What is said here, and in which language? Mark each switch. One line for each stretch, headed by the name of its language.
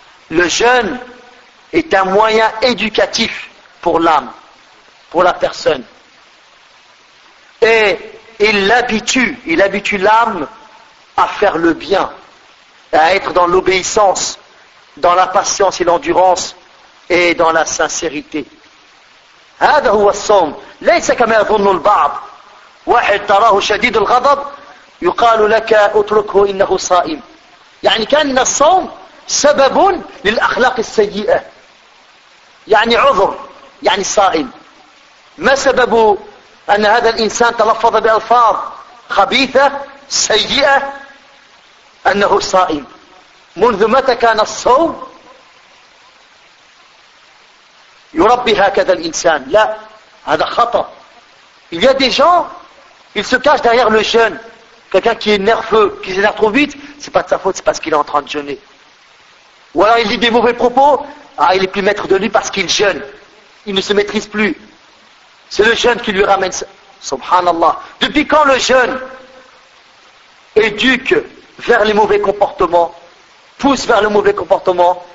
French: Le jeûne est un moyen éducatif pour l'âme, pour la personne. Et il habitue l'âme à faire le bien, à être dans l'obéissance, dans la patience et l'endurance, et dans la sincérité.
Arabic: هذا هو الصوم. ليس كما يظن البعض. واحد تراه شديد الغضب يقال لك اتركه إنه صائم. يعني كان الصوم سبب للأخلاق السيئة، يعني عذر، يعني الصائم. ما سبب أن هذا الإنسان تلفظ بألفاظ خبيثة سيئة؟ أنه صائم. منذ متى كان الصوم يربي هكذا الإنسان؟ لا، هذا خطأ.
French: Il y a des gens, ils se cachent derrière le jeûne. Quelqu'un qui est nerveux, qui s'énerve trop vite, c'est pas de sa faute, c'est parce qu'il est en train de jeûner. Ou alors il dit des mauvais propos, ah, il est plus maître de lui parce qu'il jeûne. Il ne se maîtrise plus. C'est le jeûne qui lui ramène ça. Subhanallah. Depuis quand le jeûne éduque vers les mauvais comportements, pousse vers le mauvais comportement?